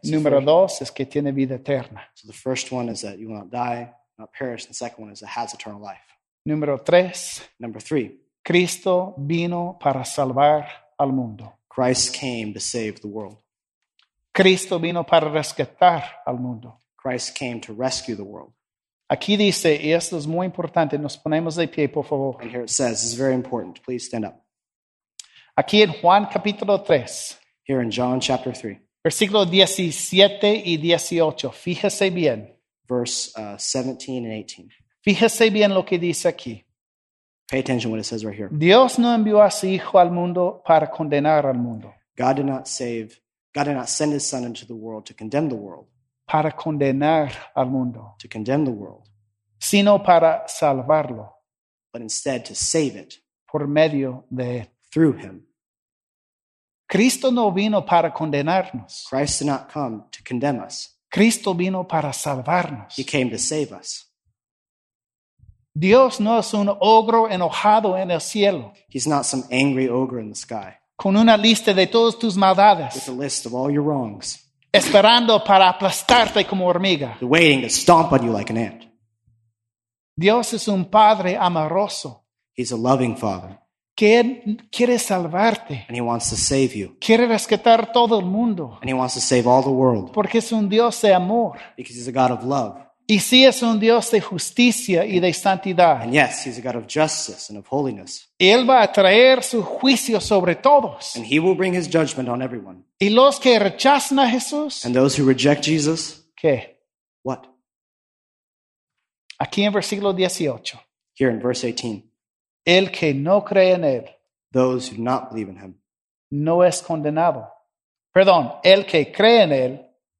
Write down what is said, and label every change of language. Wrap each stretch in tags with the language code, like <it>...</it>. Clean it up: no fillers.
<es>So número dos es que tiene vida eterna.</es> <en>So the first one is that you will not die, not perish. The second one is that has eternal life.</en> <es>Número tres.</es> <en>Number three.</en> <es>Cristo vino para salvar al mundo.</es> <en>Christ came to save the world.</en> <es>Cristo vino para rescatar al mundo.</es> <en>Christ came to rescue the world.</en> <es>Aquí dice, y esto es muy importante, nos ponemos de pie, por favor.</es> <en>And here it says, this is very important, please stand up.</en> <es>Aquí en Juan capítulo 3.</es> <en>Here in John chapter 3.</en> <es>Versículo 17 y 18, fíjese bien.</es> <en>Verse 17 and 18.</en> <es>Fíjese bien lo que dice aquí.</es> <en>Pay attention to what it says right here.</en> <es>Dios no envió a su Hijo al mundo para condenar al mundo.</es> <en>God did not send his Son into the world to condemn the world.</en> <es>Para condenar al mundo.</es> <en>To condemn the world.</en> <es>Sino para salvarlo.</es> <en>But instead to save it.</en> <es>Por medio de.</es> <en>Through him.</en> <es>Cristo no vino para condenarnos.</es> <en>Christ did not come to condemn us.</en> <es>Cristo vino para salvarnos.</es> <en>He came to save us.</en> <es>Dios no es un ogro enojado en el cielo.</es> <en>He's not some angry ogre in the sky.</en> <es>Con una lista de todas tus maldades.</es> <en>With a list of all your wrongs.</en> <es>Esperando para aplastarte como hormiga.</es> <en>They're waiting to stomp on you like an ant.</en> <es>Dios es un padre amoroso.</es> <en>He's a loving father.</en> <es>Que quiere salvarte.</es> <en>And he wants to save you.</en> <es>Quiere rescatar todo el mundo.</es> <en>And he wants to save all the world.</en> <es>Porque es un Dios de amor.</es> <en>Because he's a God of love.</en> <es>Y sí es un Dios de justicia y de santidad.</es> <en>And yes, he's a God of justice and of holiness.</en> <es>Y él va a traer su juicio sobre todos.</es> <en>And he will bring his judgment on everyone.</en> <es>Y los que rechazan a Jesús.</es> <en>And those who reject Jesus.</en> <es>¿Qué?</es> <en>What?</en> <es>Aquí en versículo 18.</es> <en>Here in verse 18.</en> <es>El que no cree en él.</es> <en>Those who do not believe in him.</en> <es>No es condenado. Perdón, el que cree en él.</es>